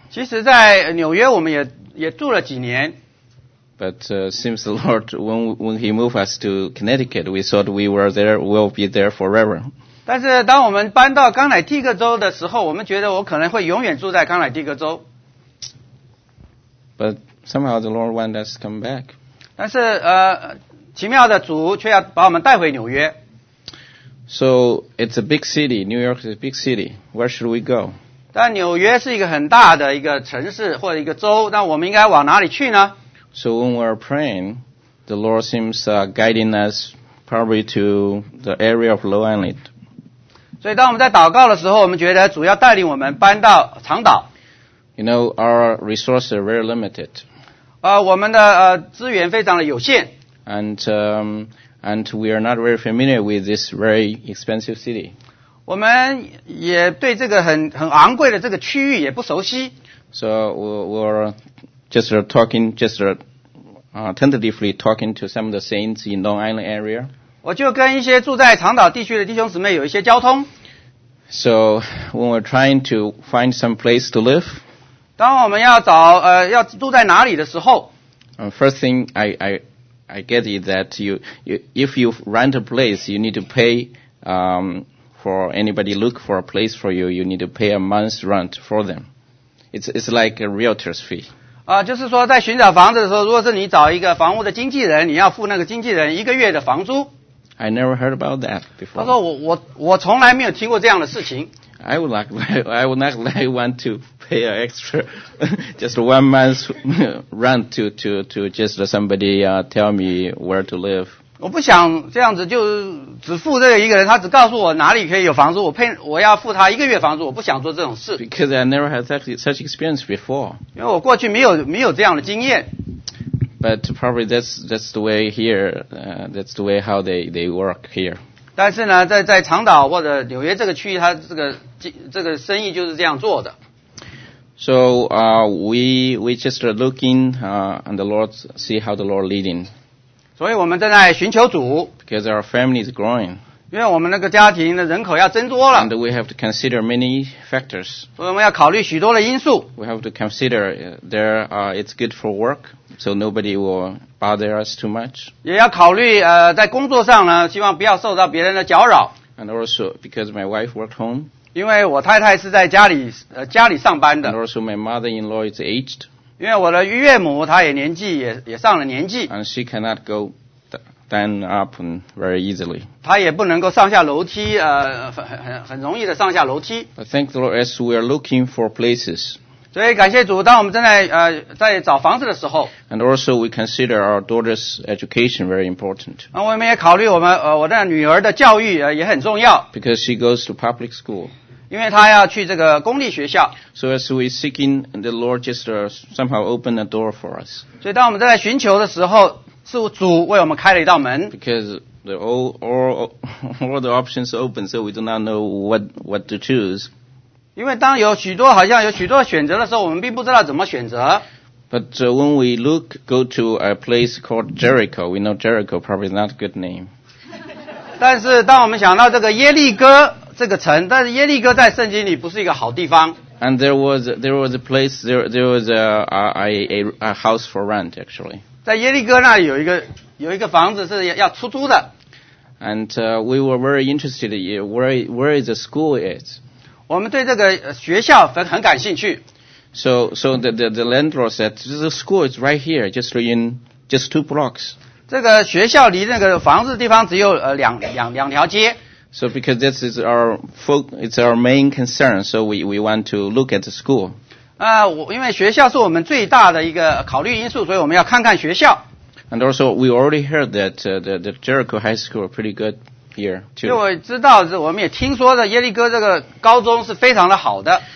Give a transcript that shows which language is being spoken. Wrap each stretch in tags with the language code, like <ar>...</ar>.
<zh>其实在纽约我们也住了几年。</zh> <en>But seems the Lord, when he moved us to Connecticut, we thought we were there, we'll be there forever.</en> <zh>但是当我们搬到康乃狄克州的时候，我们觉得我可能会永远住在康乃狄克州。</zh> <en>But somehow the Lord wants us to come back.</en> <zh>但是奇妙的主却要把我们带回纽约。</zh> <en>So it's a big city. New York is a big city. Where should we go?</en> <zh>但纽约是一个很大的一个城市或者一个州，那我们应该往哪里去呢？</zh> <en>So when we're praying, the Lord seems guiding us probably to the area of Long Island.</en> <zh>所以当我们在祷告的时候，我们觉得主要带领我们搬到长岛。</zh> <en>You know, our resources are very limited.</en> <zh>我们的资源非常的有限。</zh> <en>And we are not very familiar with this very expensive city.</en> <zh>我们也对这个很昂贵的这个区域也不熟悉。</zh> <en>So we're tentatively talking to some of the saints in Long Island area.</en> <zh>我就跟一些住在长岛地区的弟兄姊妹有一些交通。</zh> <en>So when we're trying to find some place to live.</en> <zh>当我们要找要住在哪里的时候。</zh> <en>First thing I get it that if you rent a place, you need to pay for anybody look for a place for you. You need to pay a month's rent for them. It's like a realtor's fee.</en> <zh>就是说在寻找房子的时候，如果是你找一个房屋的经纪人，你要付那个经纪人一个月的房租。</zh> <en>I never heard about that before.</en> <zh>他说我从来没有听过这样的事情。</zh> <en>I would not want to pay an extra just 1 month's rent to just somebody tell me where to live.</en> <zh>我不想这样子就只付这个一个人，他只告诉我哪里可以有房租，我要付他一个月房租，我不想做这种事。</zh> <en>Because I never had such experience before.</en> <zh>因为我过去没有这样的经验。</zh> <en>But probably that's the way here. That's the way how they work here.</en> <zh>但是呢，在长岛或者纽约这个区域，他这个生意就是这样做的。</zh> <en>So we just are looking and the Lord see how the Lord leading.</en> <zh>所以我们正在寻求主。</zh> <en>Because our family is growing.</en> <zh>因为我们那个家庭的人口要增多了。</zh> <en>And we have to consider many factors.</en> <zh>所以我们要考虑许多的因素。</zh> <en>We have to consider there, it's good for work, so nobody will bother us too much.</en> <zh>也要考虑在工作上呢，希望不要受到别人的搅扰。</zh> <en>And also because my wife worked home.</en> <zh>因为我太太是在家里上班的。</zh> <en>And also my mother-in-law is aged.</en> <zh>因为我的岳母她也年纪也上了年纪。</zh> <en>And she cannot go. Stand up very easily.</en> <zh>他也不能够上下楼梯，很容易的上下楼梯。</zh> <en>I thank the Lord as we are looking for places.</en> <zh>所以感谢主，当我们正在在找房子的时候。</zh> <en>And also we consider our daughter's education very important.</en> <zh>我们也考虑我的女儿的教育也很重要。</zh> <en>Because she goes to public school.</en> <zh>因为她要去这个公立学校。</zh> <en>So as we seeking the Lord just somehow open a door for us.</en> <zh>所以当我们正在寻求的时候。是主为我们开了一道门。</zh> <en>Because the all the options open, so we do not know what to choose.</en> <zh>因为当有许多好像有许多选择的时候，我们并不知道怎么选择。</zh> <en>But when we look, go to a place called Jericho, we know Jericho probably is not a good name.</en> <zh>但是当我们想到这个耶利哥这个城，但是耶利哥在圣经里不是一个好地方。</zh> <en>And there was a place there was a house for rent actually.</en> <zh>在耶利哥那里有一个房子是要出租的。</zh> <en>And we were very interested in where the school is.</en> <zh>我们对这个学校很感兴趣。</zh> <en>So the landlord said, the school is right here, just two blocks.</en> <zh>这个学校离那个房子的地方只有两条街。</zh> <en>So because this is our main concern, so we want to look at the school.</en> <zh>因为学校是我们最大的一个考虑因素，所以我们要看看学校。</zh> <en>And also, we already heard that the Jericho High School are pretty good here too.</en> <zh>因为我知道，我们也听说的耶利哥这个高中是非常的好的。</zh>